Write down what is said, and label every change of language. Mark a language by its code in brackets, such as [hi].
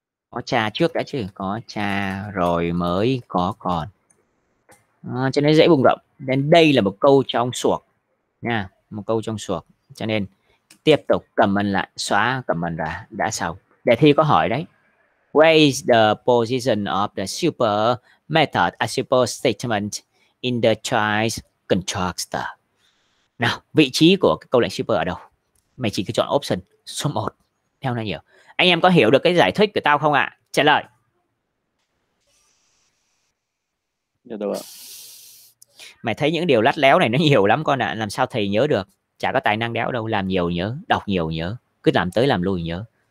[vi] Có cha trước đã chứ, có cha rồi mới có con. À, cho nên dễ bùng động. Nên đây là một câu trong suộc nha, một câu trong suộc. Cho nên tiếp tục comment lại, xóa comment ra, đã xong. Đề thi có hỏi đấy. [en] Where is the position of the super method, a super statement in the choice constructor? [vi] Nào, vị trí của cái câu lệnh super ở đâu? Mày chỉ cứ chọn option số 1, theo nó nhiều. Anh em có hiểu được cái giải thích của tao không ạ? Trả lời. Được rồi. Mày thấy những điều lắt léo này nó nhiều lắm con ạ, làm sao thầy nhớ được? Chả có tài năng đéo đâu, làm nhiều nhớ, đọc nhiều nhớ, cứ làm tới làm lui nhớ.